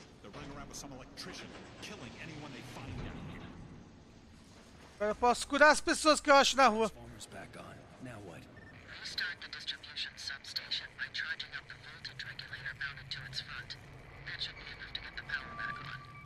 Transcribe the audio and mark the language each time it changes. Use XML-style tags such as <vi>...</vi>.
<en>They're running around with some electrician, killing anyone they find down here.</en> <pt>Agora eu posso curar as pessoas que eu acho na rua.</pt> <en>Transformers back on. Now what? Restart the distribution substation by charging up the voltage regulator mounted to its front. That should be enough to get the power back on.</en>